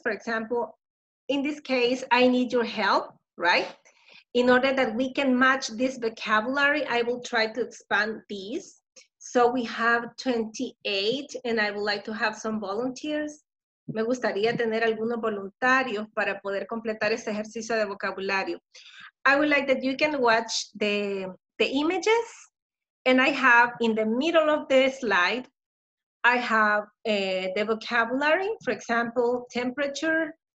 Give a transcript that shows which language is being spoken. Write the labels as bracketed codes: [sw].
[en] For example, in this case, I need your help, right? In order that we can match this vocabulary, I will try to expand these. So we have 28, and I would like to have some volunteers. [es] Me gustaría tener algunos voluntarios para poder completar este ejercicio de vocabulario. [en] I would like that you can watch the images, and I have in the middle of the slide, I have the vocabulary, for example, temperature,